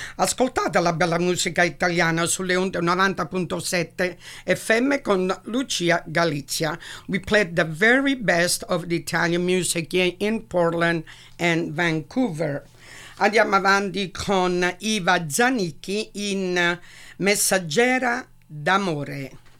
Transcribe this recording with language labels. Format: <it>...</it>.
<it>Ascoltate la bella musica italiana sulle onde 90.7 FM con Lucia Galizia.</it> <en>We played the very best of the Italian music in Portland and Vancouver.</en> <it>Andiamo avanti con Iva Zanicchi in Messaggera d'amore.</it>